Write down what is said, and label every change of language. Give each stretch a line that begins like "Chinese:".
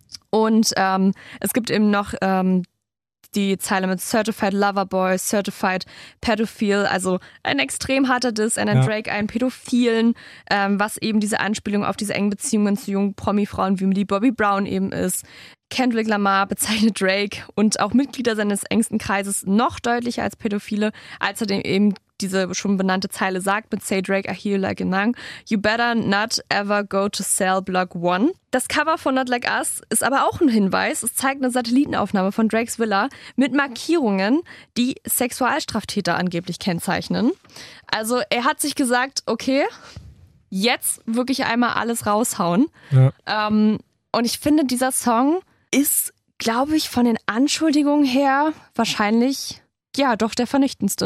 German: Und es gibt eben noch die Zeile mit Certified Lover Boy, Certified Pedophile, also ein extrem harter Diss an einen Drake, einen Pädophilen, was eben diese Anspielung auf diese engen Beziehungen zu jungen Promi-Frauen wie Millie Bobby Brown eben ist. Kendrick Lamar bezeichnet Drake und auch Mitglieder seines engsten Kreises noch deutlicher als Pädophile, als er eben diese schon benannte Zeile sagt mit
English: Say Drake, I hear you like a nun. You better not ever go to cell block one.
German: Das Cover von Not Like Us ist aber auch ein Hinweis. Es zeigt eine Satellitenaufnahme von Drakes Villa mit Markierungen, die Sexualstraftäter angeblich kennzeichnen. Also er hat sich gesagt, okay, jetzt wirklich einmal alles raushauen. Ja. Und ich finde, dieser Song ist, glaube ich, von den Anschuldigungen her wahrscheinlich, ja, doch der vernichtendste.